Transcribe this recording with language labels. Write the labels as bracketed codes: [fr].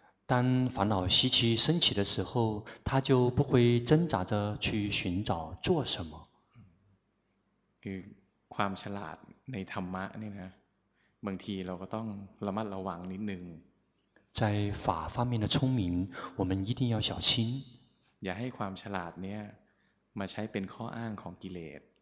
[zh] 当烦恼习气升起的时候他就不会挣扎着去寻找做什么 [th] ความฉลาดในธรรมะนี่นะบางทีเราก็ต้องระมัดระวังนิดนึง [zh] 在法方面的聪明我们一定要小心 [th] อย่าให้ความฉลาดเนี่ยมาใช้เป็นข้ออ้างของกิเลส